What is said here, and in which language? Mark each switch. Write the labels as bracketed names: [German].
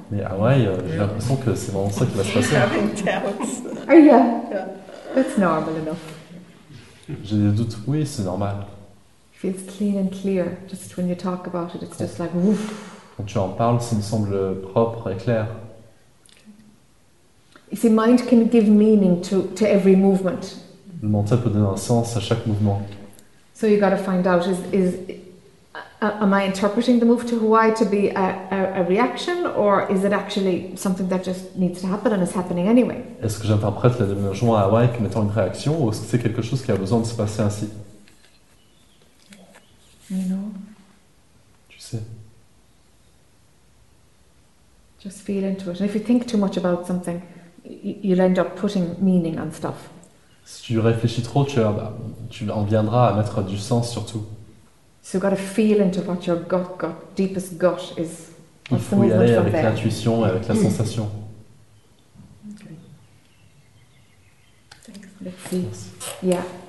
[French] Mais Hawaii, j'ai l'impression que c'est vraiment ça qui va se passer. [English] Having doubts. Oh yeah. That's normal enough. [French] J'ai des doutes. Oui, c'est normal. [English] It feels clean and clear. Just when you talk about it, it's [French] quand, [English] just like woof. [French] Quand tu en parles, ça me semble propre et clair. [English] You see, mind can give meaning to every movement. [French] Le mental peut donner un sens à chaque mouvement. [English] So you got to find out is am I interpreting the move to Hawaii to be a reaction, or is it actually something that just needs to happen and is happening anyway? [French] Est-ce que j'interprète le déménagement à Hawaii comme étant une réaction, ou est-ce que c'est quelque chose qui a besoin de se passer ainsi? [English] You know. [French] Tu sais. [English] Just feel into it. And if you think too much about something, you'll end up putting meaning on stuff. [French] Si tu réfléchis trop, tu en viendras à mettre du sens sur tout. [English] So you've got to feel into what your gut, deepest gut is. [French] Il faut y aller avec l'intuition et avec la sensation. [English] Okay. Let's see. Yeah.